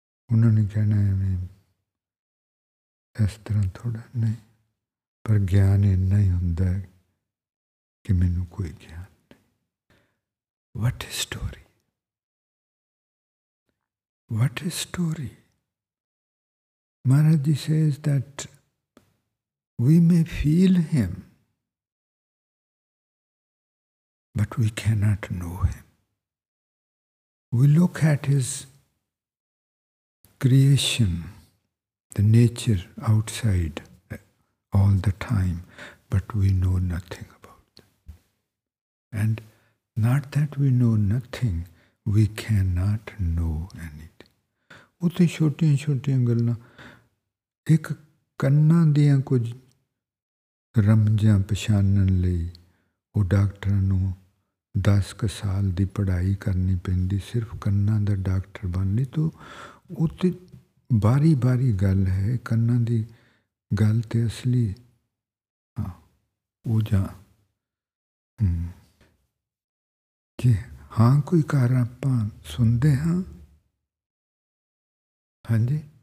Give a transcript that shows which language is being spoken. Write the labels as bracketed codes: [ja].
[pa] ਉਹਨਾਂ ਨੇ ਕਹਿਣਾ ਐਵੇਂ ਇਸ ਤਰ੍ਹਾਂ ਥੋੜ੍ਹਾ ਨਹੀਂ ਪਰ ਗਿਆਨ ਇੰਨਾ ਹੀ ਹੁੰਦਾ ਹੈ ਕਿ ਮੈਨੂੰ ਕੋਈ ਗਿਆਨ ਨਹੀਂ [en] What is story Maharaj says that we may feel Him, but we cannot know Him. We look at His creation, the nature outside all the time, but we know nothing about it. And not that we know nothing, we cannot know anything. [pa] Utte chotiyan chotiyan gallan ਇੱਕ ਕੰਨਾਂ ਦੀਆਂ ਕੁਝ ਰਮਜਾਂ ਪਛਾਣਨ ਲਈ ਉਹ ਡਾਕਟਰਾਂ ਨੂੰ 10 ਕੁ ਸਾਲ ਦੀ ਪੜ੍ਹਾਈ ਕਰਨੀ ਪੈਂਦੀ ਸਿਰਫ ਕੰਨਾਂ ਦਾ ਡਾਕਟਰ ਬਣ ਲਈ ਤਾਂ ਉਹ ਤਾਂ ਬਾਰੀ ਬਾਰੀ ਗੱਲ ਹੈ ਕੰਨਾਂ ਦੀ ਗੱਲ ਤਾਂ ਅਸਲੀ ਹਾਂ ਉਹ ਜਾਂ ਜੀ ਹਾਂ ਕੋਈ ਘਰ ਆਪਾਂ ਸੁਣਦੇ ਹਾਂ ਹਾਂਜੀ